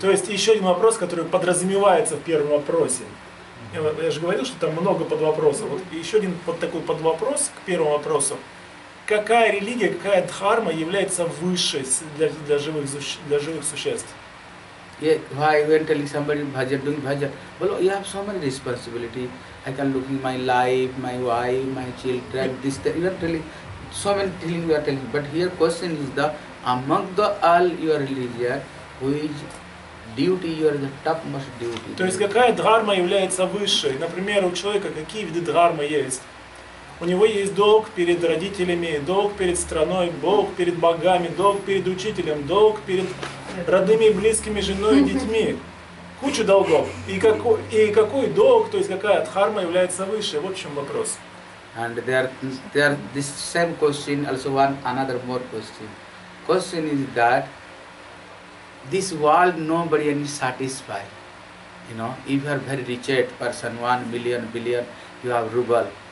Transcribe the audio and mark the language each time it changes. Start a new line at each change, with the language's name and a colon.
Russian: То есть еще один вопрос, который подразумевается в первом вопросе. Я же говорил, что там много подвопросов. Вот еще один вот такой подвопрос к первому вопросу. Какая религия, какая дхарма является высшей для живых существ?
English: Yeah, why when telling somebody bhajan, doing bhajan, well, you have so many responsibility. I can look in my life, my wife, my children, this, that. You are telling, so many things you are telling. But here question is the, among the all your religion, which duty you are the topmost duty?
Russian: То есть какая дхарма является высшей? Например, у человека какие виды дхармы есть? У него есть долг перед родителями, долг перед страной, долг перед богами, долг перед учителем, долг перед родными, близкими, женой и детьми. Куча долгов. И какой долг, то есть какая дхарма является выше? Вот в чем вопрос.
English: And there this same question, also one another more question. Question is that this world nobody any satisfy. You know, if you are very rich person, 1 million, 1 billion, you have ruble.